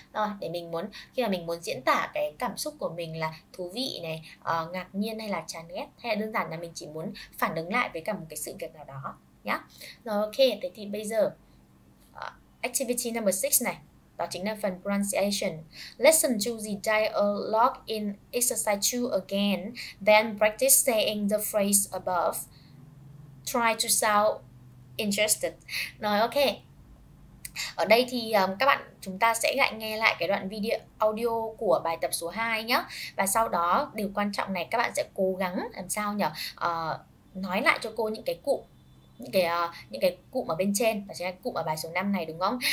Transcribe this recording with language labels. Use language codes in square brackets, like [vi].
[vi] Rồi, để mình muốn, khi mà mình muốn diễn tả cái cảm xúc của mình là thú vị này, ngạc nhiên hay là chán ghét, hay là đơn giản là mình chỉ muốn phản ứng lại với cả một cái sự việc nào đó nhá. Rồi ok, thế thì bây giờ activity number 6 này, đó chính là phần pronunciation. [en] Listen to the dialogue in exercise 2 again, then practice saying the phrase above. Try to sound interested. [vi] Rồi ok, ở đây thì các bạn, chúng ta sẽ lại nghe lại cái đoạn video audio của bài tập số 2 nhé. Và sau đó điều quan trọng này, các bạn sẽ cố gắng làm sao nhỉ, nói lại cho cô những cái cụm, những cái cụm ở bên trên, và chính là cụm ở bài số 5 này, đúng không?